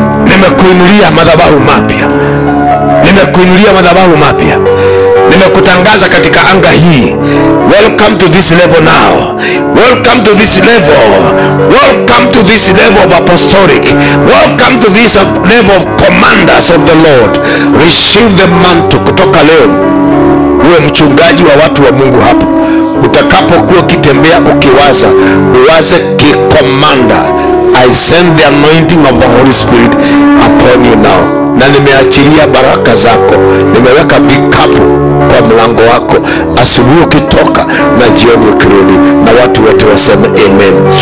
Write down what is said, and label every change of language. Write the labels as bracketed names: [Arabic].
[Swahili] Nimekuinulia madhabahu mapya, nimekuinulia madhabahu mapya, nimekutangaza katika anga hii. [English] Welcome to this level now. Welcome to this level. Welcome to this level of apostolic. Welcome to this level of commanders of the Lord. Receive the mantle [Swahili] kutoka leo. Uwe mchungaji wa watu wa Mungu hapo. Utakapokuwa ukitembea ukiwaza, uwaze ki commander. [English] I send the anointing of the Holy Spirit upon you now. [Swahili] Na nimeachilia baraka zako. Nimeweka vikapu kwa mlango wako, asubuhi ukitoka na jioni ukirudi. Na watu wote waseme amen.